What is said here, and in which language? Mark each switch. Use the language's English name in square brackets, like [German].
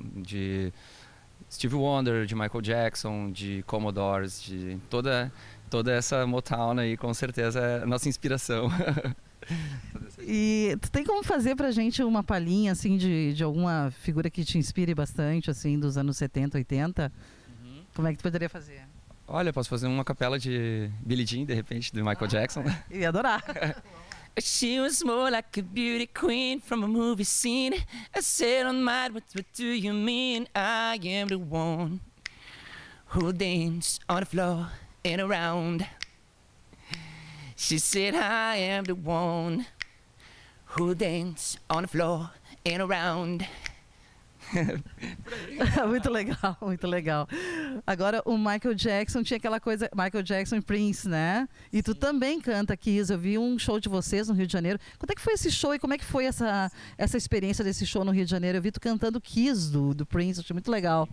[Portuguese] De Stevie Wonder, de Michael Jackson, de Commodores, de toda essa Motown aí, com certeza, é a nossa inspiração. E tu tem como fazer pra gente uma palhinha, assim, de alguma figura que te inspire bastante, assim, dos anos 70, 80? Uhum. Como é que tu poderia fazer? Olha, posso fazer uma capela de Billie Jean, de repente, de Michael Jackson. Eu ia adorar. [English] She was more like a beauty queen from a movie scene. I said on my, what do you mean? I am the one who danced on the floor and around. She said, I am the one who danced on the floor and around. [Portuguese] Muito legal, muito legal. Agora, o Michael Jackson tinha aquela coisa, Michael Jackson e Prince, né? E sim, tu também canta, Kiss. Eu vi um show de vocês no Rio de Janeiro. Quando é que foi esse show e como é que foi essa experiência desse show no Rio de Janeiro? Eu vi tu cantando Kiss do Prince, eu achei muito legal.